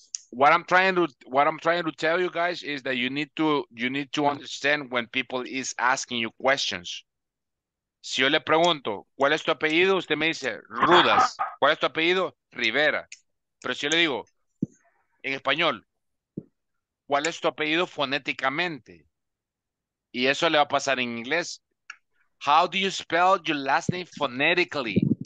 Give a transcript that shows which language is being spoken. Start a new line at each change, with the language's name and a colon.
English: What I'm trying to tell you guys is that you need to understand when people is asking you questions.
Spanish: Si yo le pregunto, ¿cuál es tu apellido? Usted me dice, Rudas. ¿Cuál es tu apellido? Rivera. Pero si yo le digo, en español, ¿cuál es tu apellido fonéticamente? Y eso le va a pasar en inglés.
English: How do you spell your last name phonetically?